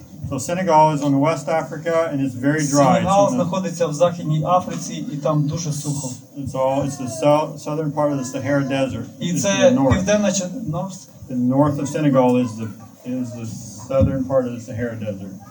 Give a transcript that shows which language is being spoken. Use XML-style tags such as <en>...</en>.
<en>So Senegal is on West Africa and it's very dry.</en> <uk>Сенегал знаходиться в Західній Африці і там дуже сухо.</uk> <en>It's the southern part of the Sahara Desert.</en> <uk>І це південна частина.</uk> <en>The north of Senegal is the southern part of the Sahara Desert.</en>